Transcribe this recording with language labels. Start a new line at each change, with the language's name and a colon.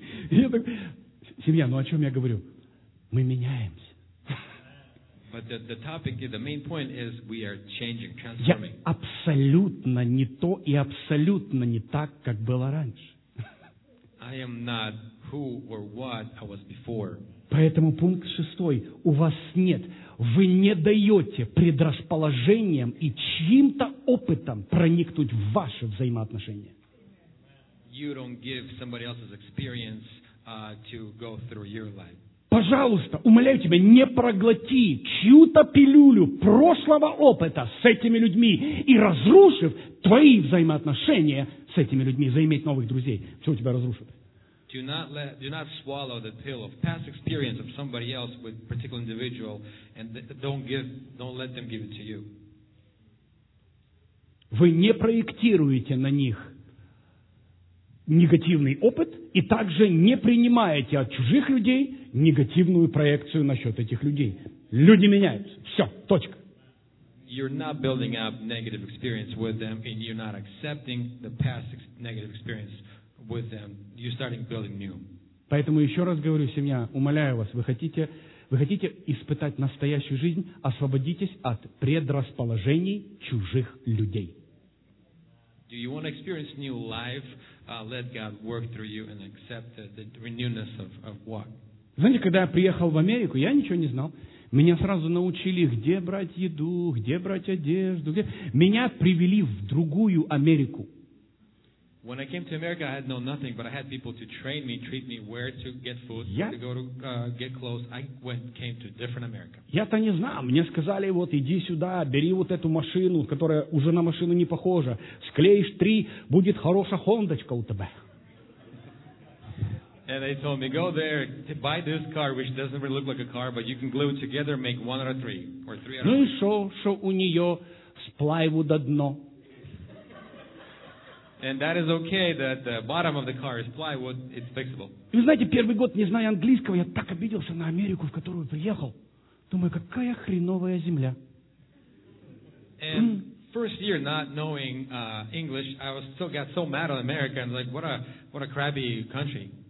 Russian: Я так, семья, ну о чем я говорю? Мы меняемся.
English: But the topic, the main point is we are changing, transforming.
Russian: Я абсолютно не то и абсолютно не так, как было раньше.
English: I am not who or what I was before.
Russian: Поэтому пункт шестой. У вас нет, вы не даете предрасположениям и чьим-то опытом проникнуть в ваши взаимоотношения.
English: You don't give somebody else's experience to go through your life.
Russian: Пожалуйста, умоляю тебя, не проглоти чью-то пилюлю прошлого опыта с этими людьми и разрушив твои взаимоотношения с этими людьми, заиметь новых друзей. Все у тебя разрушит.
English: Do not swallow the pill of past experience of somebody else with a particular individual and don't let them give it to you.
Russian: Вы не проектируете на них негативный опыт и также не принимаете от чужих людей негативную проекцию насчет этих людей. Люди меняются. Все. Точка.
English: You're not building up negative experience with them and you're not accepting the past negative experience with them. You're starting building new.
Russian: Поэтому еще раз говорю, семья, умоляю вас, вы хотите испытать настоящую жизнь, освободитесь от предрасположений чужих людей.
English: Do you want to experience new life? Let God work through you and accept the renewness of what?
Russian: Знаете, когда я приехал в Америку, я ничего не знал. Меня сразу научили, где брать еду, где брать одежду. Меня привели в другую Америку.
English: When I came to America, I had known nothing, but I had people to train me, treat me where to get food, where to go to get clothes. I went, came to different America.
Russian: Я-то не знаю. Мне сказали, вот иди сюда, бери вот эту машину, которая уже на машину не похожа. Склеишь три, будет хорошая хондочка у тебя.
English: And they told me, go there, buy this car, which doesn't really look like a car, but you can glue it together, make one out of three, or three out of three.
Russian: Ну и шо, шо у нее с плайвуда дно.
English: And that is okay, that the bottom of the car is plywood, it's fixable.
Russian: Вы знаете, первый год, не зная английского, я так обиделся на Америку, в которую приехал. Думаю, какая хреновая земля.
English: And first year, not knowing English, I was still got so mad on America, and like, what a crappy country.